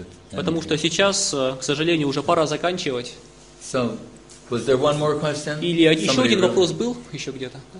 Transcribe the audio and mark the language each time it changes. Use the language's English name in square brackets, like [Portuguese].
[Russian] Потому что сейчас, к сожалению, уже пора заканчивать. [English] So, was there one more question? [Russian] Или еще [English] Somebody [Russian] один вопрос был еще где-то?